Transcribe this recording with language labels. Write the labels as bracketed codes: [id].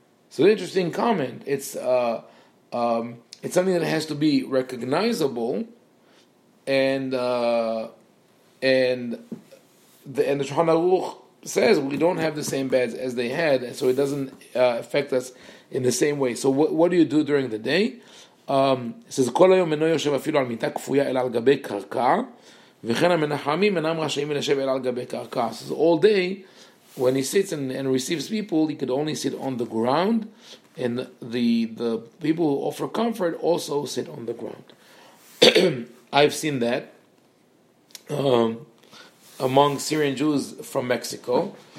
[en] So, an interesting comment. It's something that has to be recognizable, and the Shulchan Aruch says we don't have the same beds as they had, so it doesn't affect us in the same way. So, what do you do during the day? [he] It says כל היום מנו יושב אפילו על מיטה קפויה אל על גבי קרקע וכן המנחמים אינם רשאים לשב אל על גבי קרקע. [en] It says all day when he sits and receives people, he could only sit on the ground, and the people who offer comfort also sit on the ground. I've seen that among Syrian Jews from Mexico.